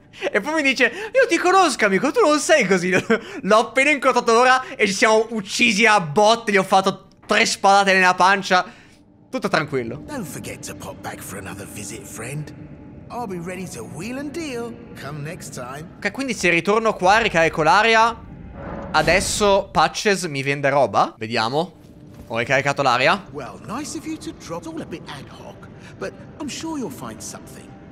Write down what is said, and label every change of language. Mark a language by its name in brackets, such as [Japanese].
[Italian] E poi mi dice: io ti conosco, amico, tu non sei così. L'ho appena incontrato ora e ci siamo uccisi a botte. Gli ho fatto 3 spadate nella pancia. Tutto tranquillo. [English] Don't forget to pop back for another visit, friend. I'll be ready to wheel and deal come next time. [Italian] Ok, quindi se ritorno qua e ricarico l'aria, adesso Patches mi vende roba. Vediamo. Ho ricaricato l'aria. [English] Well, nice of you to drop. It's all a bit ad hoc, but I'm sure you'll find something.